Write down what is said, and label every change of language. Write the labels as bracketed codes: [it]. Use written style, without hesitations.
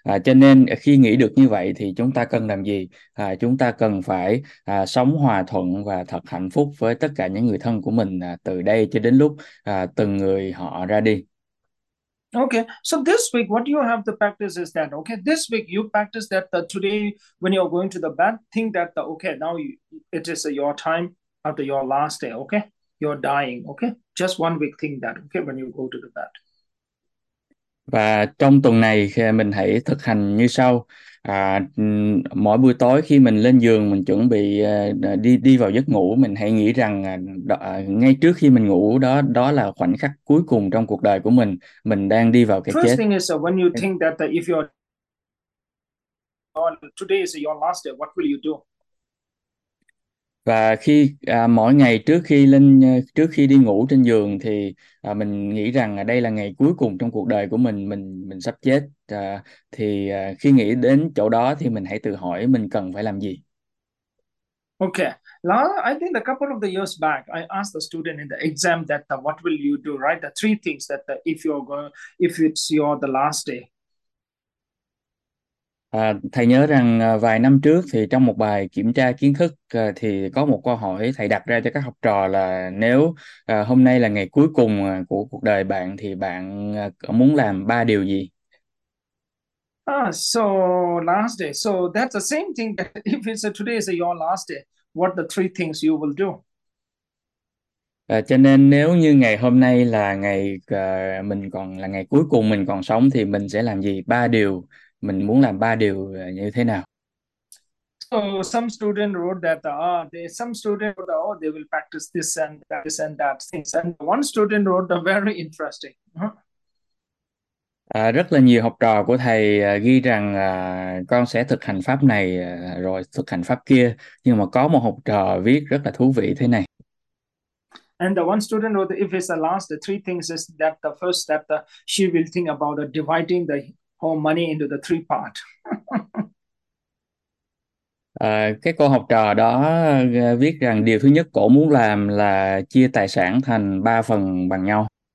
[vi] Cho nên khi nghĩ được như vậy thì chúng ta cần làm gì? Chúng ta cần phải sống hòa thuận và thật hạnh phúc với tất cả những người thân của mình từ đây cho đến lúc từng người họ ra đi. [en] Okay, so this week, what you have to practice is that, okay, this week you practice that today when you're going to the bed, think that, okay, now it is your time after your last day, okay? You're dying, okay? Just one week, think that, okay, when you go to the bed. [vi] Và trong tuần này mình hãy thực hành như sau. Mỗi buổi tối khi mình lên giường, mình chuẩn bị đi đi vào giấc ngủ, mình hãy nghĩ rằng ngay trước khi mình ngủ đó, đó là khoảnh khắc cuối cùng trong cuộc đời của mình đang đi vào cái [en] First [vi] chết. [en] thing is when you think that if you're today is your last day, what will you do? [vi] Và khi mỗi ngày trước khi đi ngủ trên giường thì mình nghĩ rằng đây là ngày cuối cùng trong cuộc đời của mình sắp chết. Thì khi nghĩ đến chỗ đó thì mình hãy tự hỏi mình cần phải làm gì. [en] Okay. Now, I think a couple of the years back, I asked the student in the exam that what will you do, right? The three things that if you're going, if it's your the last day. [vi] Thầy nhớ rằng vài năm trước thì trong một bài kiểm tra kiến thức thì có một câu hỏi thầy đặt ra cho các học trò là nếu hôm nay là ngày cuối cùng của cuộc đời bạn thì bạn muốn làm ba điều gì? [en] So last day. So that's the same thing that if it's today is your last day. What the three things you will do? [vi] Cho nên nếu như ngày hôm nay là ngày là ngày cuối cùng mình còn sống thì mình sẽ làm gì? Ba điều. Mình muốn làm ba điều như thế nào? [en] So some student wrote that they some student wrote oh they will practice this and that things and one student wrote a very interesting. [vi] Rất là nhiều học trò của thầy ghi rằng con sẽ thực hành pháp này rồi thực hành pháp kia, nhưng mà có một học trò viết rất là thú vị thế này. [en] And the one student wrote, if it's the last, the three things is that the first step, she will think about dividing the whole money into the three part. [vi] Cái cô học trò đó viết rằng điều thứ nhất cổ muốn làm là chia tài sản thành ba phần bằng nhau.